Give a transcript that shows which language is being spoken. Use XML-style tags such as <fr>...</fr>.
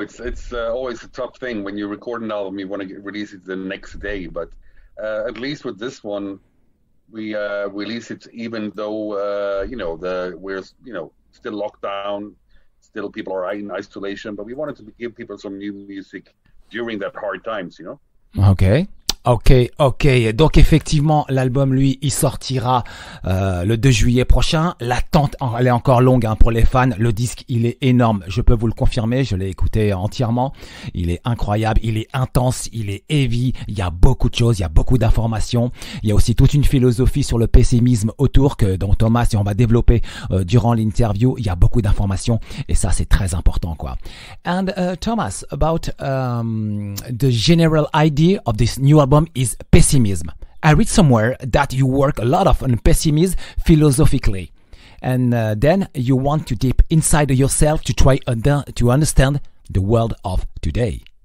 <en>It's always a tough thing when you record an album, you want to release it the next day. But at least with this one, we release it even though, still locked down. Still people are in isolation, but we wanted to give people some new music during that hard times, you know? Okay.</en> <fr>Donc effectivement, l'album, lui, il sortira le 2 juillet prochain. L'attente, elle est encore longue hein, pour les fans. Le disque, il est énorme. Je peux vous le confirmer. Je l'ai écouté entièrement. Il est incroyable. Il est intense. Il est heavy. Il y a beaucoup de choses. Il y a beaucoup d'informations. Il y a aussi toute une philosophie sur le pessimisme autour que dont Thomas et on va développer durant l'interview. Il y a beaucoup d'informations et ça, c'est très important, quoi.</fr> <en>And Thomas, about the general idea of this new album is pessimism. I read somewhere that you work a lot on pessimism philosophically, and then you want to deep inside yourself to try to understand the world of today.</en>